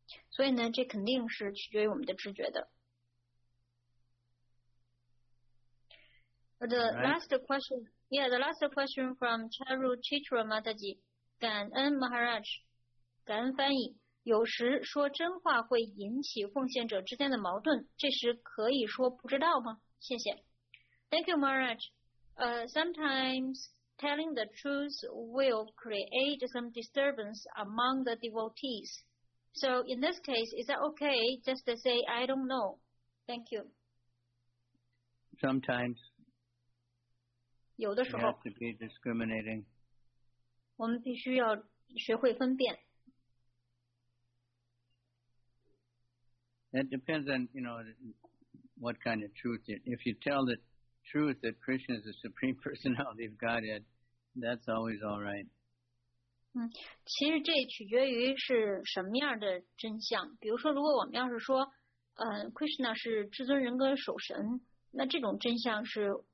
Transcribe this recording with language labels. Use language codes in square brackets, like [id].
[zh] 所以呢，这肯定是取决于我们的知觉的。 [en] The last question, yeah, the last question from Charu Chitra Mataji. [zh] 感恩 Maharaj, 感恩翻译。有时说真话会引起奉献者之间的矛盾，这时可以说不知道吗？谢谢。 [en] Thank you, Maharaj. Sometimes telling the truth will create some disturbance among the devotees. So in this case, is that okay just to say I don't know? Thank you. Sometimes. [zh] 有的时候 [en] to be discriminating. [zh] 我们必须要学会分辨。 [en] It depends on, you know, what kind of truth. If you tell the truth that Krishna is the Supreme Personality of Godhead, that's always all right. [zh] 嗯，其实这取决于是什么样的真相。比如说，如果我们要是说，Krishna 是至尊人格首神，那这种真相是。